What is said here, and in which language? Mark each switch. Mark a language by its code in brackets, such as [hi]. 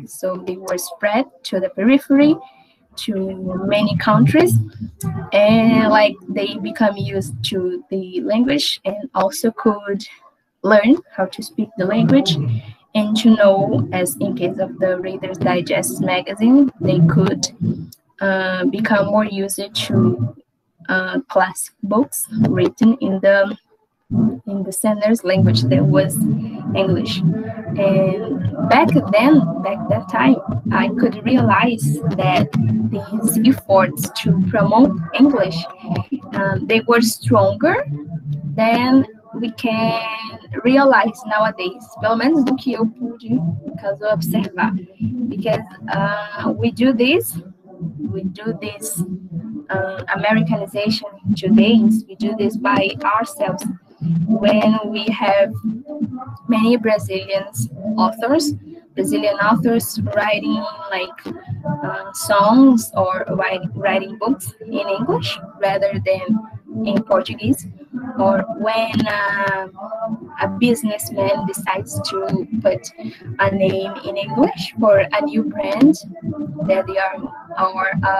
[en] So they were spread to the periphery, to many countries, and like they become used to the language and also could learn how to speak the language and to know, as in case of the Reader's Digest magazine, they could become more used to classic books written in the Sanner's language that was English. And back that time, I could realize that these efforts to promote English, they were stronger than we can realize nowadays. [pt] Pelo menos do que eu pude, caso eu observar. [en] Because we do this Americanization today, we do this by ourselves. When we have many Brazilian authors writing like songs or writing books in English rather than in Portuguese, or when a businessman decides to put a name in English for a new brand that they are our